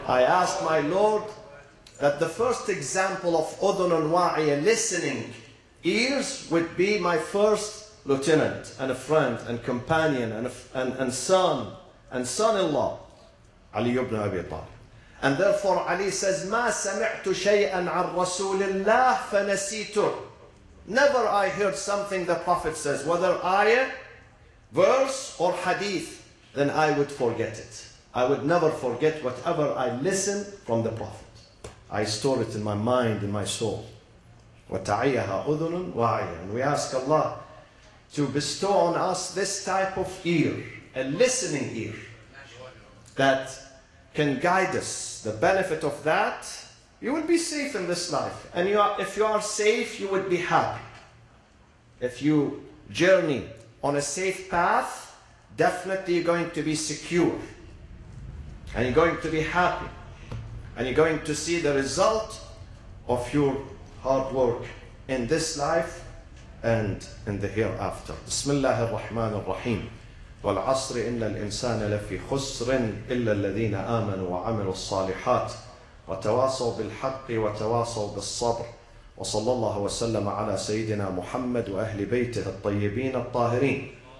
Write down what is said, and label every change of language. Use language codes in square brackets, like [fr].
[en] I asked my Lord that the first example of [ar] أُذُنٌ وَاعِيَةٌ, [en] listening ears, would be my first lieutenant and a friend and companion and son and son-in-law, Ali ibn Abi Talib. And therefore Ali says, [ar] مَا سَمِعْتُ شَيْئًا عَنْ رَسُولِ اللَّهِ فَنَسِيتُهُ. [en] Never I heard something the Prophet says, whether ayah, verse or hadith, then I would forget it. I would never forget whatever I listen from the Prophet. I store it in my mind, in my soul. [ar] وَتَعِيَهَا أُذُنٌ وَعَيَةٌ. [en] And we ask Allah to bestow on us this type of ear, a listening ear, that can guide us. The benefit of that, you will be safe in this life. And you are, if you are safe, you would be happy. If you journey on a safe path, definitely you're going to be secure. And you're going to be happy. And you're going to see the result of your hard work in this life and in the hereafter. [ar] بسم الله الرحمن الرحيم. والعصر إن الإنسان لفي خسر إلا الذين آمنوا وعملوا الصالحات وتواصوا بالحق وتواصوا بالصبر. وصلى الله وسلم على سيدنا محمد وأهل بيته الطيبين الطاهرين.